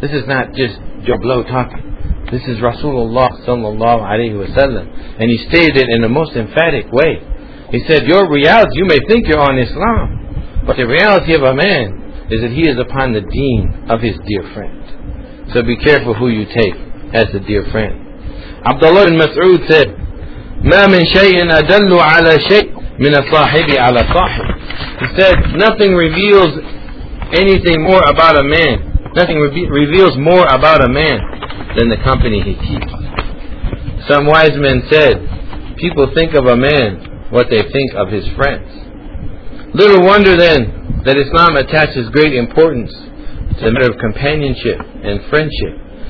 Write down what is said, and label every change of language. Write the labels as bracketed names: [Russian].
[English] This is not just your blow talking. This is Rasulullah sallallahu alayhi wa sallam. And he stated it in the most emphatic way. He said, your reality, you may think you're on Islam, but the reality of a man is that he is upon the deen of his dear friend. So be careful who you take as a dear friend. Abdullah ibn Mas'ud said, [Arabic] مَا مِن شَيْءٍ أَدَلُّ عَلَى شَيْءٍ مِنَ الصَّاحِبِ عَلَى صَاحِبٍ. [English] He said, nothing reveals anything more about a man. Nothing reveals more about a man than the company he keeps. Some wise men said, people think of a man what they think of his friends. Little wonder then that Islam attaches great importance to the matter of companionship and friendship.